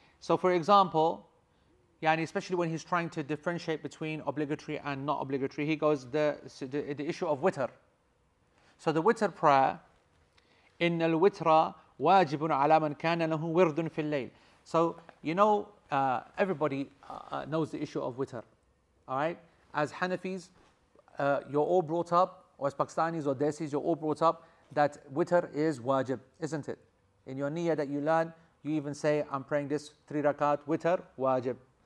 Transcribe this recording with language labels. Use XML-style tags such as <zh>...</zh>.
<en>So for example, yani, especially when he's trying to differentiate between obligatory and not obligatory, he goes, the issue of witr. So the witr prayer,</en> <ar>إن الوتر واجب على من كان له ورد في الليل.</ar> <en>So, you know, everybody knows the issue of witr. All right? As Hanafis, you're all brought up, or as Pakistanis or Desis, you're all brought up that witr is wajib, isn't it? In your niyyah that you learn, you even say, I'm praying this 3 rakat, witr, wajib.</en>